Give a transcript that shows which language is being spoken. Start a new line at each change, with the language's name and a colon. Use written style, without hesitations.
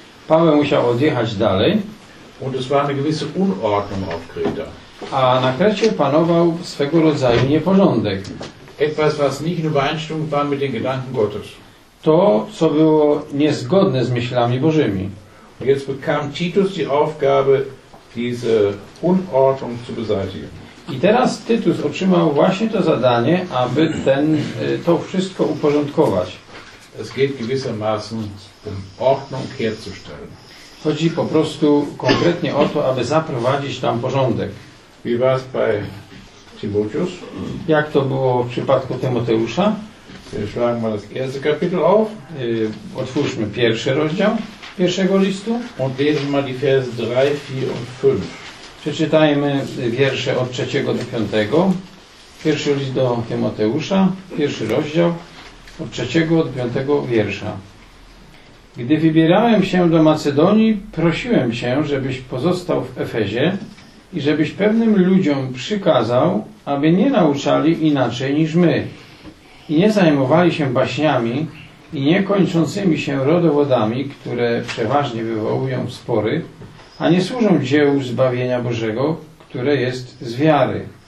Polish: Paweł musiał odjechać dalej.
German: Und es war eine gewisse Unordnung auf Kreta.
Polish: A na Krecie panował swego rodzaju nieporządek.
German: Etwas, was nicht in Übereinstimmung war mit den Gedanken Gottes.
Polish: To, co było niezgodne z myślami Bożymi.
German: Jetzt bekam Titus die Aufgabe, diese Unordnung zu beseitigen.
Polish: I teraz Tytus otrzymał właśnie to zadanie, aby ten, to wszystko uporządkować.
German: Es geht gewissermaßen um Ordnung herzustellen.
Polish: Chodzi po prostu konkretnie o to, aby zaprowadzić tam porządek.
German: Wie war es bei Timotheus?
Polish: Jak to było w przypadku Tymoteusza?
German: Schlagen wir das erste Kapitel auf.
Polish: Otwórzmy pierwszy rozdział pierwszego listu.
German: Und lesen mal die Verse 3, 4 und 5.
Polish: Przeczytajmy wiersze od 3 do 5. Pierwszy list do Tymoteusza, pierwszy rozdział, od 3 do 5 wiersza. Gdy wybierałem się do Macedonii, prosiłem cię, żebyś pozostał w Efezie i żebyś pewnym ludziom przykazał, aby nie nauczali inaczej niż my i nie zajmowali się baśniami i niekończącymi się rodowodami, które przeważnie wywołują spory, a nie służą dziełu zbawienia Bożego, które jest z wiary.